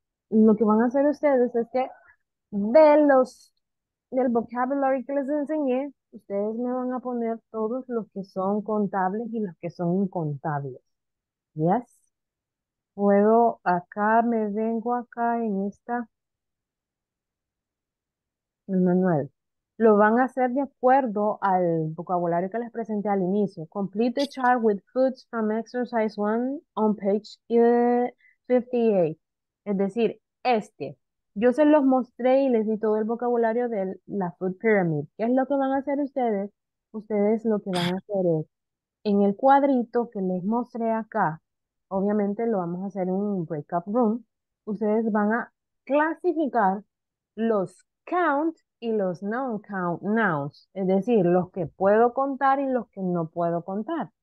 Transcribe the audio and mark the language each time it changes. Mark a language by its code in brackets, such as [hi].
[es] Lo que van a hacer ustedes es que del vocabulary que les enseñé, ustedes me van a poner todos los que son contables y los que son incontables. ¿Yes? Puedo, acá me vengo acá en esta, el manual. Lo van a hacer de acuerdo al vocabulario que les presenté al inicio. [en] Complete the chart with foods from exercise 1 on page 58. [es] Es decir, este. Yo se los mostré y les di todo el vocabulario de la Food Pyramid. ¿Qué es lo que van a hacer ustedes? Ustedes lo que van a hacer es, en el cuadrito que les mostré acá, obviamente lo vamos a hacer en un breakout room, ustedes van a clasificar los count y los non-count nouns, es decir, los que puedo contar y los que no puedo contar.